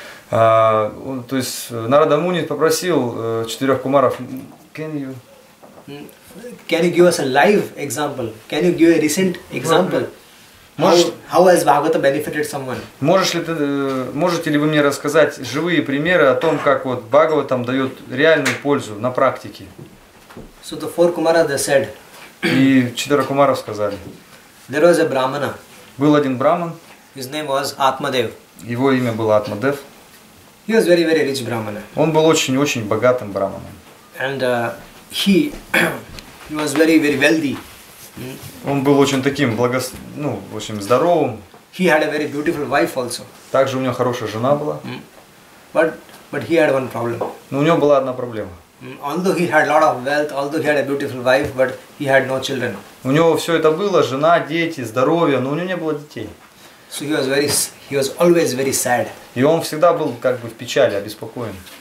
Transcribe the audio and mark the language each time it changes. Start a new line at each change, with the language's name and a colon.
Russian: То есть Narada Muni попросил четырех кумаров.
English: Can you give us a live example? Can you give a recent example? How has Bhagavata benefited someone?
Russian: Можете ли вы мне рассказать живые примеры о том, как вот Бхагаватам дает реальную пользу на практике?
English: So the four Kumaras they said.
Russian: И четыре кумаров сказали.
English: There was a Brahmana.
Russian: Был один браман.
English: His name was Atmadev.
Russian: Его имя было Атмадев.
English: He was very, very rich brahmana.
Russian: Он был очень-очень богатым брахманом.
English: And he was very, very wealthy.
Russian: Он был очень таким очень здоровым.
English: He had a very beautiful wife also.
Russian: Также у него хорошая жена была.
English: But he had one problem.
Russian: Но у него была одна проблема.
English: Although he had a lot of wealth, although he had a beautiful wife, but he had no children.
Russian: У него все это было: жена, дети, здоровье, но у него не было детей.
English: So he was always very sad.
Russian: И он всегда был как бы в печали, обеспокоен.